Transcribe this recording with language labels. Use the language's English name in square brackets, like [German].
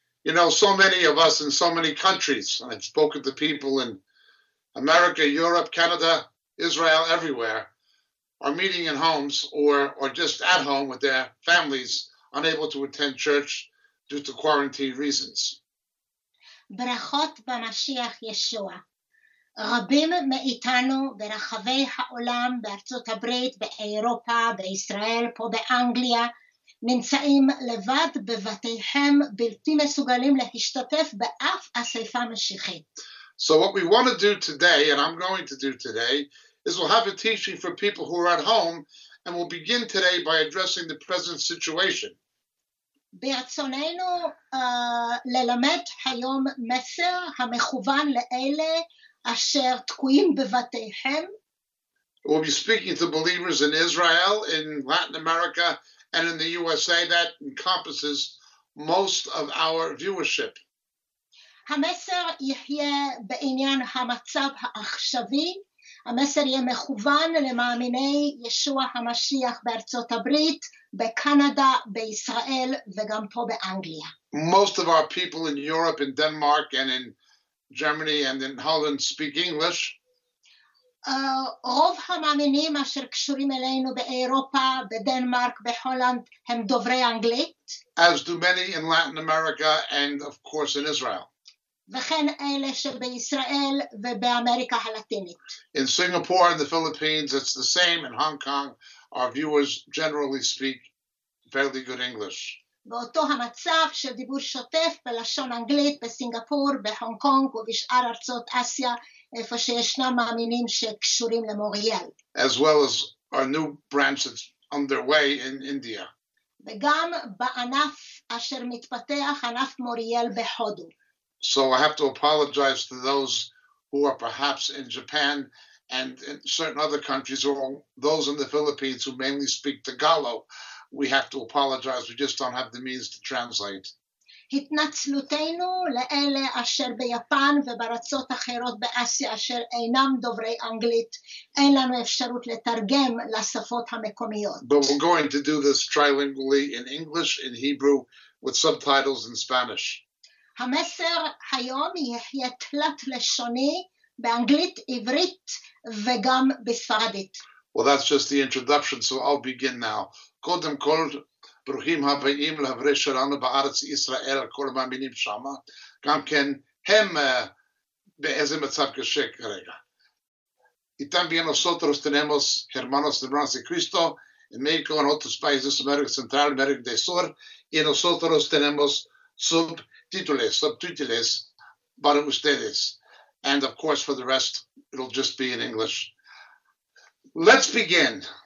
[English] You know, so many of us in so many countries, I've spoken to people in America, Europe, Canada, Israel, everywhere, are meeting in homes or just at home with their families, unable to attend church due to quarantine reasons. [Hebrew] ברכות במשיח ישוע. רבים מאיתנו ברחבי העולם, בארצות הברית, באירופה, בישראל, פה באנגליה, נמצאים לבד בבתיהם, בלתי מסוגלים להשתתף באף אסיפה משיחית. [English] So what we want to do today, and I'm going to do today, is we'll have a teaching for people who are at home, and we'll begin today by addressing the present situation. [Hebrew] ברצוננו ללמד היום מסר המכוון לאלה אשר תקועים בבתיהם. [English] We'll be speaking to believers in Israel, in Latin America, and in the USA. That encompasses most of our viewership. [Hebrew] המסר יהיה בעניין המצב העכשווי. המסר יהיה מכוון למאמיני ישוע המשיח בארצות הברית, בקנדה, בישראל וגם פה באנגליה. [English] Most of our people in Europe, in Denmark and in Germany and in Holland speak English. [Hebrew] רוב המאמינים אשר קשורים אלינו באירופה, בדנמרק, בהולנד הם דוברי אנגלית. [English] As do many in Latin America and of course in Israel. [Hebrew] וכן אלה שבישראל ובאמריקה הלטינית. [English] In Singapore and the Philippines, it's the same. In Hong Kong, our viewers generally speak fairly good English. [Hebrew] באותו המצב של דיבור שוטף בלשון אנגלית בסינגפור, בהונג קונג ובשאר ארצות אסיה, איפה שישנם מאמינים שקשורים למוריאל. [English] As well as our new branch that's underway in India. [Hebrew] וגם בענף אשר מתפתח, ענף מוריאל בהודו. [English] So I have to apologize to those who are perhaps in Japan and in certain other countries, or those in the Philippines who mainly speak Tagalog. We have to apologize. We just don't have the means to translate. [Hebrew] התנצלותנו לאלה אשר ביפן ובארצות אחרות באסיה אשר אינם דוברי אנגלית. אין לנו אפשרות לתרגם לשפות המקומיות. [English] But we're going to do this trilingually in English, in Hebrew, with subtitles in Spanish. [Hebrew] המסר היום יהיה תלת לשוני באנגלית, עברית וגם בספרדית. [English] Well, that's just the introduction, so I'll begin now. [Hebrew] קודם כל, ברוכים הבאים לחברי שלנו בארץ ישראל, כל המאמינים שם. גם כן, הם באיזה מצב קשה כרגע. [Spanish] Y también nosotros tenemos hermanos de Brasil Cristo, en México, en otros países, América Central, América del Sur, y nosotros tenemos subtítulos para ustedes. [English] And of course, for the rest, it'll just be in English. Let's begin.